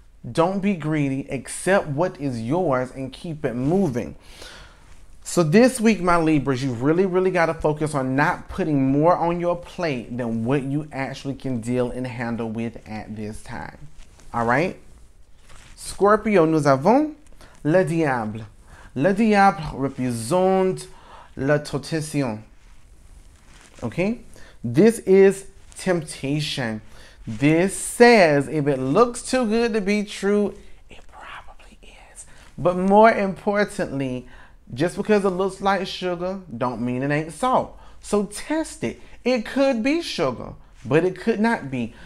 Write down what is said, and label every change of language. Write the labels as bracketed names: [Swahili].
[English] Don't be greedy. Accept what is yours and keep it moving. So this week, my Libras, you really, really got to focus on not putting more on your plate than what you actually can deal and handle with at this time. All right? [French] Scorpio, nous avons le diable. Le diable représente la tentation. [English] Okay? This is temptation. This says, if it looks too good to be true, it probably is. But more importantly, just because it looks like sugar, don't mean it ain't salt. So test it. It could be sugar, but it could not be.